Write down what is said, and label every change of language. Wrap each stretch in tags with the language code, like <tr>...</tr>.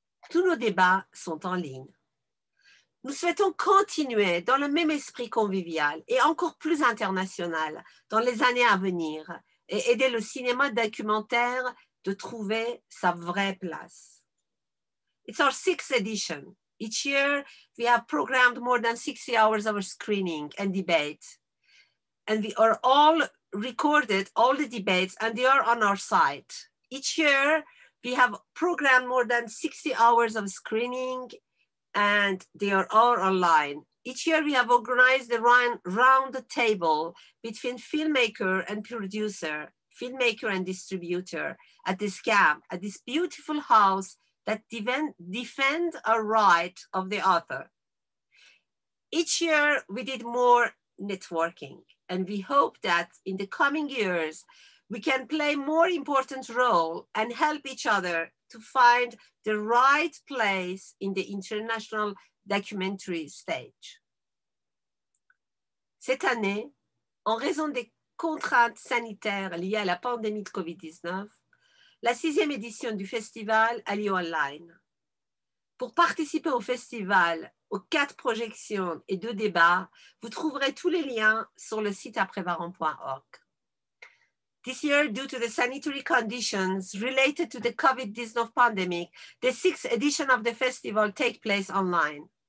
<fr>Tous nos débats sont en ligne. Nous souhaitons continuer dans le même esprit convivial et encore plus international dans les années à venir et aider le cinéma documentaire de trouver sa vraie place.</fr> <en>It's our sixth edition. Each year, we have programmed more than 60 hours of screening and debate. And we are all recorded all the debates and they are on our site. Each year, we have programmed more than 60 hours of screening and they are all online. Each year we have organized the round table between filmmaker and producer, filmmaker and distributor at the SCAM, at this beautiful house that defend a right of the author. Each year we did more networking and we hope that in the coming years, we can play more important role and help each other to find the right place in the international documentary stage.</en> <fr>Cette année, en raison des contraintes sanitaires liées à la pandémie de COVID-19, la sixième édition du festival a lieu online. Pour participer au festival, aux quatre projections et deux débats, vous trouverez tous les liens sur le site aprèsvaran.org.</fr> <en>This year, due to the sanitary conditions related to the COVID-19 pandemic, the sixth edition of the festival takes place online.</en>